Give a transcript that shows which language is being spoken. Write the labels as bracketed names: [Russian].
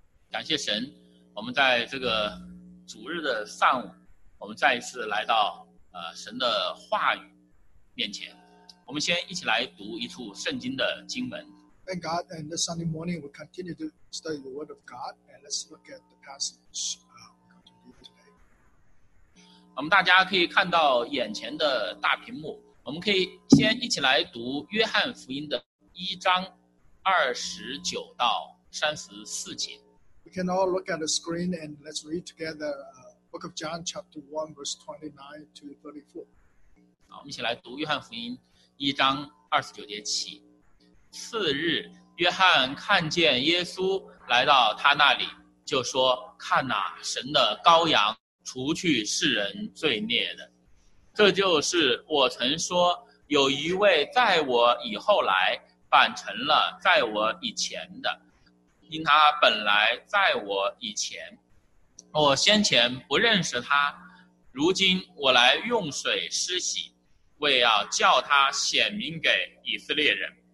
[Chinese] 感谢神，我们在这个主日的上午，我们再一次来到神的话语面前。我们先一起来读一处圣经的经文。 [English] Thank God, and this Sunday morning we continue to study the Word of God, and let's look at the passage we continue today. [Chinese] 我们大家可以看到眼前的大屏幕，我们可以先一起来读约翰福音的一章29-34节。 [English] We can all look at the screen and let's read together Book of John chapter 1 verse 29-34. [Chinese] 好，我们一起来读约翰福音一章29节起。次日，约翰看见耶稣来到他那里，就说：“看哪，神的羔羊，除去世人罪孽的。” 这就是我曾说，有一位在我以后来，反成了在我以前的，因他本来在我以前，我先前不认识他，如今我来用水施洗，为要叫他显明给以色列人。